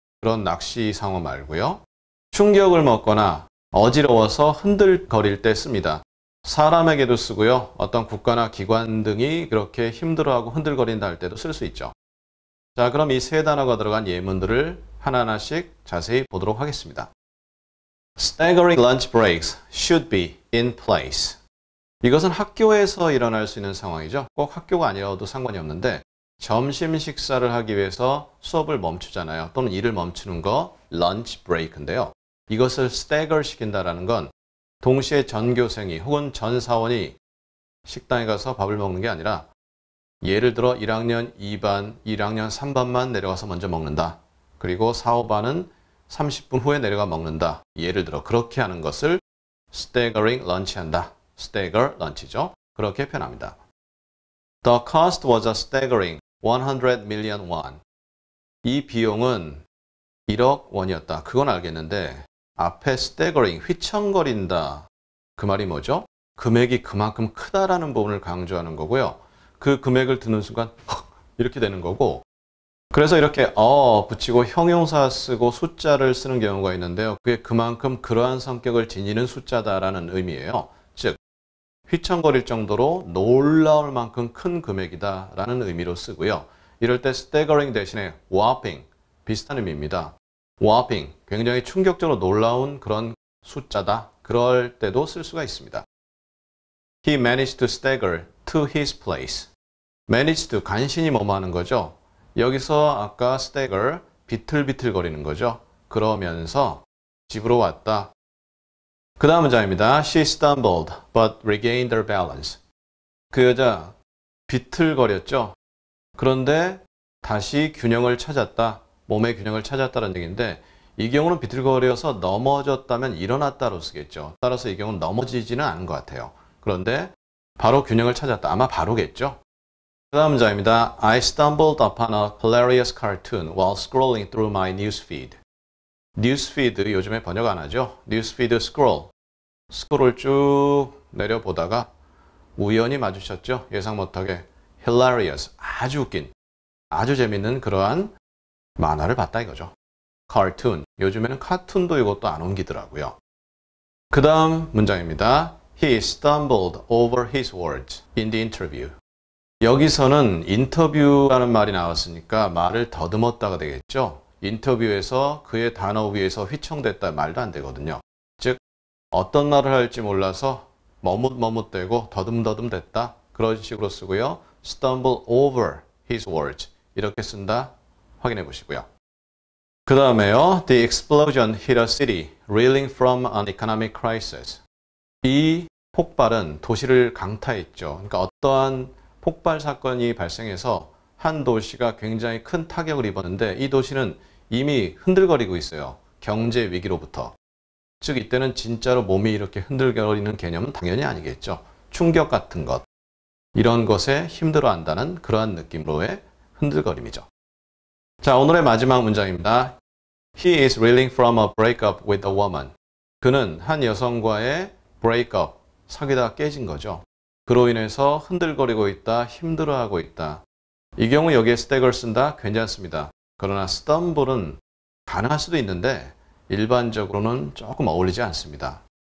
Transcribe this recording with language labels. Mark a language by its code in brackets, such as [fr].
[ko] 그런 낚시 상어 말고요. 충격을 먹거나 어지러워서 흔들거릴 때 씁니다. 사람에게도 쓰고요. 어떤 국가나 기관 등이 그렇게 힘들어하고 흔들거린다 할 때도 쓸 수 있죠. 자, 그럼 이 세 단어가 들어간 예문들을 하나하나씩 자세히 보도록 하겠습니다. [en] Staggering lunch breaks should be in place. [ko] 이것은 학교에서 일어날 수 있는 상황이죠. 꼭 학교가 아니어도 상관이 없는데 점심 식사를 하기 위해서 수업을 멈추잖아요. 또는 일을 멈추는 거 lunch break인데요. 이것을 stagger 시킨다라는 건 동시에 전교생이 혹은 전사원이 식당에 가서 밥을 먹는 게 아니라 예를 들어 1학년 2반, 1학년 3반만 내려가서 먼저 먹는다. 그리고 4, 5반은 30분 후에 내려가 먹는다. 예를 들어 그렇게 하는 것을 staggering lunch한다. stagger lunch죠. 그렇게 표현합니다. [en] The cost was a staggering 100 million won. [ko] 이 비용은 1억 원이었다. 그건 알겠는데 앞에 staggering, 휘청거린다. 그 말이 뭐죠? 금액이 그만큼 크다라는 부분을 강조하는 거고요. 그 금액을 듣는 순간 이렇게 되는 거고 그래서 이렇게 붙이고 형용사 쓰고 숫자를 쓰는 경우가 있는데요. 그게 그만큼 그러한 성격을 지니는 숫자다라는 의미예요. 즉, 휘청거릴 정도로 놀라울 만큼 큰 금액이다라는 의미로 쓰고요. 이럴 때 staggering 대신에 whopping, 비슷한 의미입니다. whopping, 굉장히 충격적으로 놀라운 그런 숫자다. 그럴 때도 쓸 수가 있습니다. [en] He managed to stagger to his place. [ko] managed to, 간신히 뭐뭐 하는 거죠. 여기서 아까 stagger, 비틀비틀 거리는 거죠. 그러면서 집으로 왔다. 그 다음 문장입니다. [en] She stumbled, but regained her balance. [ko] 그 여자 비틀거렸죠. 그런데 다시 균형을 찾았다. 몸의 균형을 찾았다는 얘기인데 이 경우는 비틀거려서 넘어졌다면 일어났다로 쓰겠죠. 따라서 이 경우는 넘어지지는 않은 것 같아요. 그런데 바로 균형을 찾았다. 아마 바로겠죠. 그 다음 문장입니다. [en] I stumbled upon a hilarious cartoon while scrolling through my newsfeed. [ko] newsfeed 요즘에 번역 안 하죠? [en] newsfeed scroll. [ko] 스크롤 쭉 내려보다가 우연히 마주쳤죠? 예상 못하게. hilarious. 아주 웃긴. 아주 재밌는 그러한 만화를 봤다 이거죠. [en] cartoon. [ko] 요즘에는 카툰도 이것도 안 옮기더라고요. 그 다음 문장입니다. [en] He stumbled over his words in the interview. [ko] 여기서는 인터뷰라는 말이 나왔으니까 말을 더듬었다가 되겠죠. 인터뷰에서 그의 단어 위에서 휘청댔다 말도 안 되거든요. 즉 어떤 말을 할지 몰라서 머뭇머뭇대고 더듬더듬댔다 그런 식으로 쓰고요. [en] stumble over his words [ko] 이렇게 쓴다 확인해 보시고요. 그 다음에요. [en] The explosion hit a city, reeling from an economic crisis. [ko] 이 폭발은 도시를 강타했죠. 그러니까 어떠한 폭발 사건이 발생해서 한 도시가 굉장히 큰 타격을 입었는데 이 도시는 이미 흔들거리고 있어요. 경제 위기로부터. 즉 이때는 진짜로 몸이 이렇게 흔들거리는 개념은 당연히 아니겠죠. 충격 같은 것, 이런 것에 힘들어한다는 그러한 느낌으로의 흔들거림이죠. 자, 오늘의 마지막 문장입니다. [en] He is reeling from a breakup with a woman. [ko] 그는 한 여성과의 breakup, 사귀다가 깨진 거죠. 그로 인해서 흔들거리고 있다, 힘들어하고 있다. 이 경우 여기에 stagger 쓴다, 괜찮습니다. 그러나 stumble은 가능할 수도 있는데 일반적으로는 조금 어울리지 않습니다.